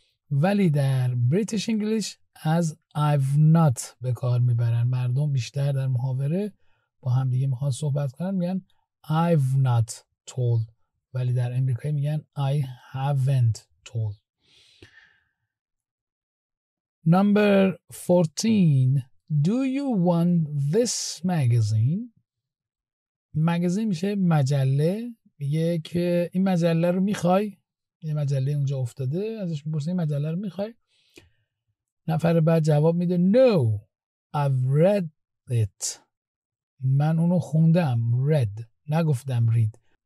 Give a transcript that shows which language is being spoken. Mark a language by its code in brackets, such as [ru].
[fa] ولی در بریتیش انگلیش از I've not به کار میبرن. مردم بیشتر در محاوره با هم دیگه میخوان صحبت کنن میگن [en] I've not told. [fa] ولی در امریکایی میگن [en] I haven't told. Number 14. Do you want this magazine? [fa] مگزین میشه مجله. میگه که این مجله رو میخوای؟ یه مجله اونجا افتاده، ازش میپرسه این مجله رو میخوای؟ نفر بعد جواب میده [en] No, I've read it. [fa] من اونو خوندم. Read. نگفتم read.